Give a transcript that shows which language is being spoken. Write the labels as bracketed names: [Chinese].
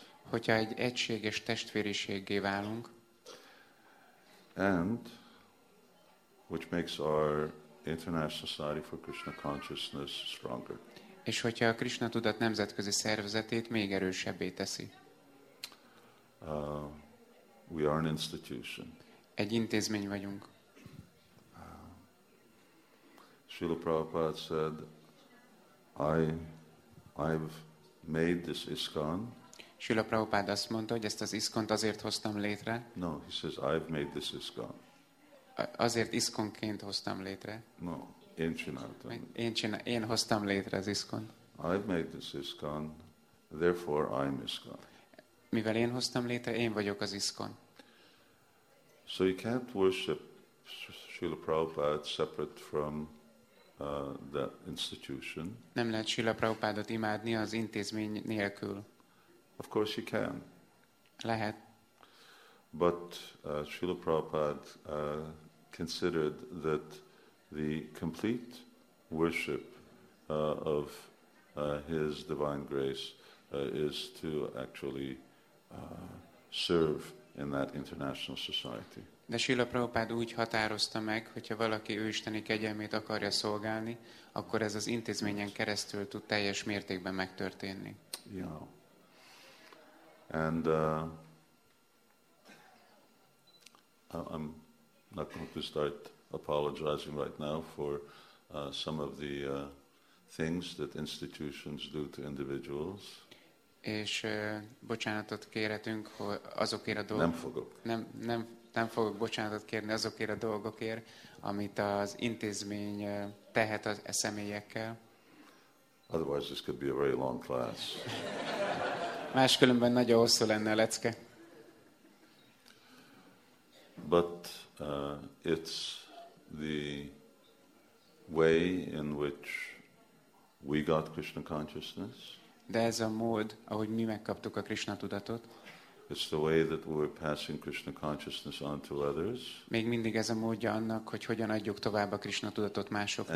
[Hungarian] Hogyha egy egységes testvériséggé válunk. [English] And which makes our International Society for Krishna Consciousness stronger. [Hungarian] És hogyha a Krishna tudat nemzetközi szervezetét még erősebbé teszi. [English] We are an institution. [Hungarian] Egy intézmény vagyunk. [English] Srila Prabhupada said, I've made this ISKCON. [Hungarian] Srila Prabhupada azt mondta, hogy ezt az ISKCON-t azért hoztam létre. [English] No, he says, I've made this ISKCON. [Hungarian] Azért ISKCON-ként hoztam létre. No, én csináltam. Én hoztam létre az ISKCON-t. [English] I've made this ISKCON, therefore I'm ISKCON. [Hungarian] Mivel én hoztam létre, én vagyok az ISKCON. [English] So you can't worship Srila Prabhupada separate from the institution. [Hungarian] Nem lehet Srila Prabhupádot imádni az intézmény nélkül. [English] Of course you can. [Hungarian] Lehet. [English] But Srila Prabhupada considered that the complete worship of his divine grace is to actually serve in that international society. [Hungarian] De Srila Prabhupada úgy határozta meg, hogyha valaki őisteni kegyelmét akarja szolgálni, akkor ez az intézményen keresztül tud teljes mértékben megtörténni. [English] Yeah. And I'm not going to start apologizing right now for some of the things that institutions do to individuals. [Hungarian] És bocsánatot kérhetünk azokért a dolgokért. Nem fogok. Nem fogok bocsánatot kérni azokért a dolgokért, amit az intézmény tehet az személyekkel. [English] Otherwise this could be a very long class. [Hungarian] Máskülönben nagyon hosszú lenne a lecke. [English] But it's the way in which we got Krishna consciousness. [Hungarian] De ez a mód, ahogy mi megkaptuk a Krishna tudatot. [English] It's the way that we're passing Krishna consciousness on to others. [Hungarian] Még mindig ez a módja annak, hogy hogyan adjuk tovább a Krishna tudatot másoknak.